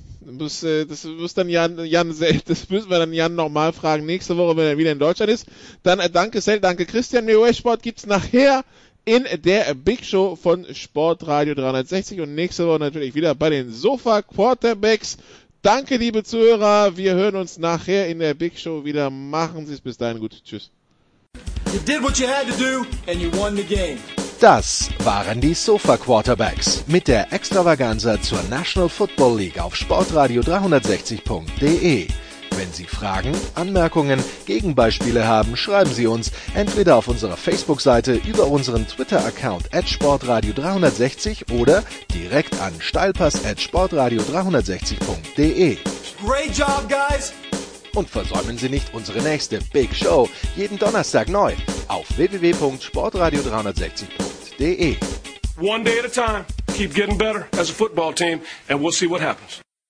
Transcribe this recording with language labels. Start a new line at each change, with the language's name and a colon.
German: Das müssen wir dann Jan nochmal fragen nächste Woche, wenn er wieder in Deutschland ist. Dann danke Sel, danke Christian. Mir Sport gibt's nachher in der Big Show von Sportradio 360 und nächste Woche natürlich wieder bei den Sofa Quarterbacks. Danke, liebe Zuhörer. Wir hören uns nachher in der Big Show wieder. Machen Sie es bis dahin gut. Tschüss.
English: You did what you had to do and you won the game.
German: Das waren die Sofa Quarterbacks mit der Extravaganza zur National Football League auf sportradio360.de. Wenn Sie Fragen, Anmerkungen, Gegenbeispiele haben, schreiben Sie uns entweder auf unserer Facebook-Seite über unseren Twitter-Account @sportradio360 oder direkt an steilpass@sportradio360.de.
English: Great job, guys!
German: Und versäumen Sie nicht unsere nächste Big Show, jeden Donnerstag neu auf www.sportradio360.de.
English: One day at a time, keep getting better as a football team, and we'll see what happens.